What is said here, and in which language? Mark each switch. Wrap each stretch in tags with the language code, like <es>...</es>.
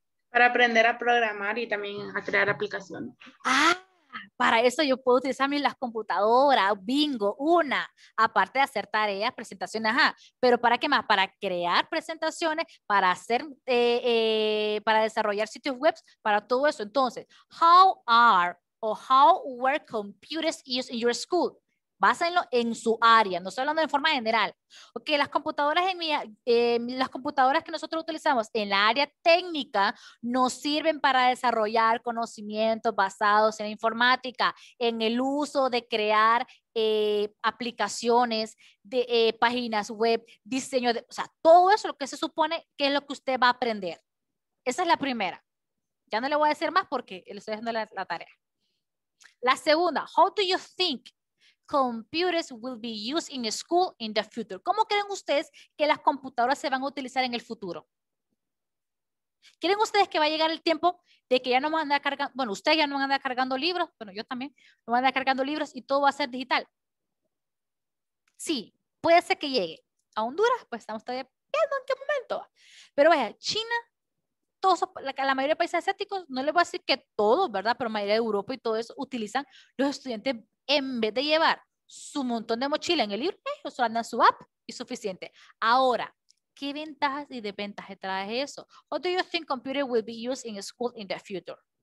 <es>Para aprender a programar y también a crear aplicaciones. Ah, para eso yo puedo utilizar las computadoras, bingo, una. Aparte de hacer tareas, presentaciones, ajá. ¿Pero para qué más? Para crear presentaciones, para hacer, para desarrollar sitios web, para todo eso. Entonces,</es> <en>how are o how were computers used in your school?</en> <es>Básenlo en su área, no estoy hablando de forma general. Ok, las computadoras las computadoras que nosotros utilizamos en la área técnica nos sirven para desarrollar conocimientos basados en la informática, en el uso de crear aplicaciones, de páginas web, diseño, o sea, todo eso lo que se supone que es lo que usted va a aprender. Esa es la primera. Ya no le voy a decir más porque le estoy dejando la tarea. La segunda,</es> <en>how do you think computers will be used in a school in the future?</en> <es>¿Cómo creen ustedes que las computadoras se van a utilizar en el futuro? ¿Creen ustedes que va a llegar el tiempo de que ya no van a andar cargando, bueno, ustedes ya no van a andar cargando libros, bueno, yo también, no van a andar cargando libros y todo va a ser digital? Sí, puede ser que llegue. A Honduras, pues estamos todavía viendo en qué momento. Pero vaya, China, todos, la mayoría de países asiáticos, no les voy a decir que todos, ¿verdad? Pero la mayoría de Europa y todo eso utilizan los estudiantes. En vez de llevar su montón de mochila en el libro, ellos andan en su app y suficiente. Ahora, ¿qué ventajas y desventajas trae eso?</es> <en>What do you think computer will be used in school in the future?</en>